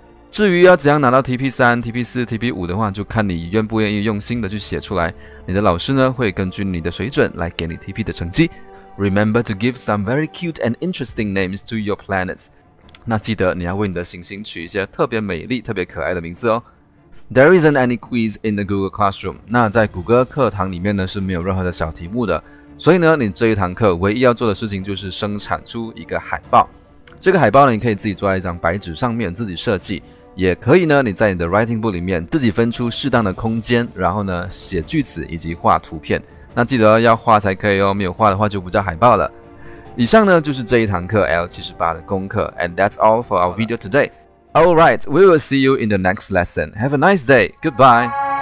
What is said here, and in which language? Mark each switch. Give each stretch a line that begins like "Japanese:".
Chinese: 至于要怎样拿到 TP3 TP4 TP5 的话，就看你愿不愿意用心的去写出来，你的老师呢会根据你的水准来给你 TP 的成绩。
English: Remember to give some very cute and interesting names to your planets.
Chinese: 那记得你要为你的行星取一些特别美丽特别可爱的名字哦。
English: There isn't any quiz in the Google Classroom.
Chinese: 那在谷歌课堂里面呢是没有任何的小题目的。所以呢你这一堂课唯一要做的事情就是生产出一个海报。这个海报呢你可以自己做在一张白纸上面自己设计。也可以呢你在你的 writing book 里面自己分出适当的空间然后呢写句子以及画图片。那记得要画才可以哦没有画的话就不叫海报了。以上呢就是这一堂课 L78 的功课。
English: And that's all for our video today. Alright, we will see you in the next lesson. Have a nice day. Goodbye.